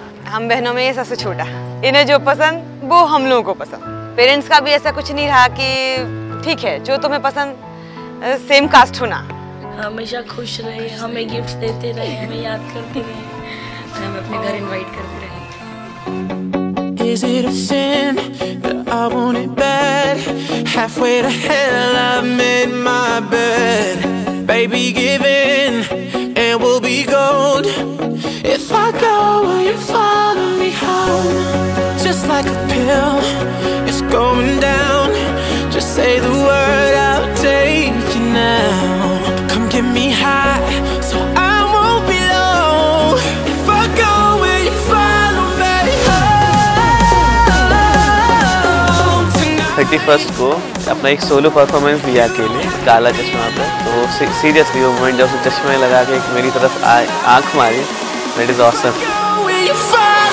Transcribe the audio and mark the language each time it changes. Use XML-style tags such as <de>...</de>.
<hi>हम बहनों में ये सबसे छोटा, इन्हें जो पसंद वो हम लोगों को पसंद। पेरेंट्स का भी ऐसा कुछ नहीं रहा कि ठीक है जो तुम्हें पसंद सेम कास्ट होना। हमेशा खुश रहे, हमें गिफ्ट देते रहे, हमें याद करते रहे, हमें अपने घर इन्वाइट करते रहे।</hi> <en>Is it a sin that I want it bad? Halfway to hell, I've made my bed. Baby, give in and we'll be gold. If I go, will you follow me home? Just like a pill, it's going down. say the word, I'll take you now. Come get me high, so I won't be low. If I go, will you follow me home tonight? 31st go.</en> <hi>अपना एक solo performance दिया अकेले काला चश्मा पर, तो seriously वो moment जब उसने चश्मा लगा के एक मेरी तरफ आँख मारी,</hi> <en>It is awesome.</en>